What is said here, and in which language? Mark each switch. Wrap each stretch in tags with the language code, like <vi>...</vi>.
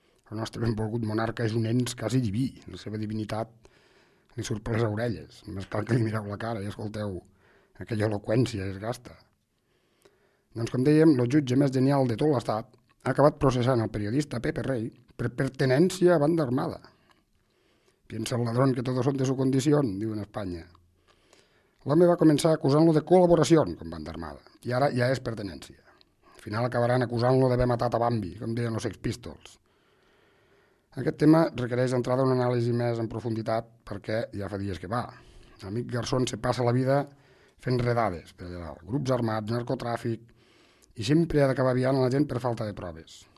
<ca>El nostre benvolgut monarca és un ens quasi diví, la seva divinitat li surt per les orelles. Només cal que li mireu la cara i escolteu aquella eloqüència es gasta. Doncs com dèiem, el jutge més genial de tot l'estat ha acabat processant el periodista Pepe Rey per pertenència a banda armada.</ca> <es>Piensa el ladrón que todos son de su condición,</es> <ca>diu en Espanya. L'home va començar acusant-lo de col·laboració com banda armada, i ara ja és pertenència. Al final acabaran acusant-lo d'haver matat a Bambi, com deien els Sex Pistols. Aquest tema requereix d'entrada una anàlisi més en profunditat, perquè ja fa dies que va. L'amic Garzón se passa la vida fent redades, per allà, grups armats, narcotràfic, i sempre ha d'acabar aviant la gent per falta de proves.</ca>